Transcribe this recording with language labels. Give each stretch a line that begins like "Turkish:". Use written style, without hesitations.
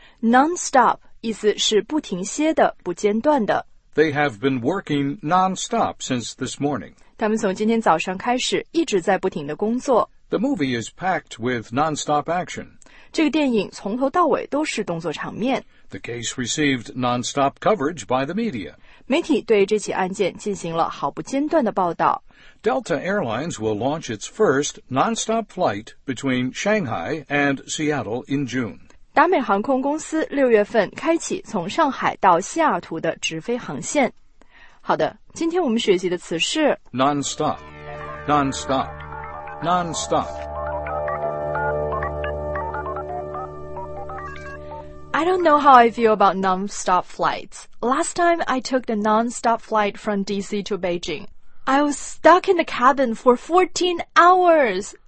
Chinese: Non-stop, 意思是不停歇的、不间断的。
English: They have been working non-stop since this morning.
Chinese: 他们从今天早上开始一直在不停的工作。
English: The movie is packed with non-stop action.
Chinese: 这个电影从头到尾都是动作场面。
English: The case received non-stop coverage by the media.
Chinese: 媒体对这起案件进行了毫不间断的报道。
English: Delta Airlines will launch its first non-stop flight between Shanghai and Seattle in June.
Chinese: 达美航空公司六月份开启从上海到西雅图的直飞航线。好的，今天我们学习的词是
English: non-stop, non-stop, non-stop. I don't know how I feel about non-stop flights. Last time I took the non-stop flight from DC to Beijing. I was stuck in the cabin for 14 hours.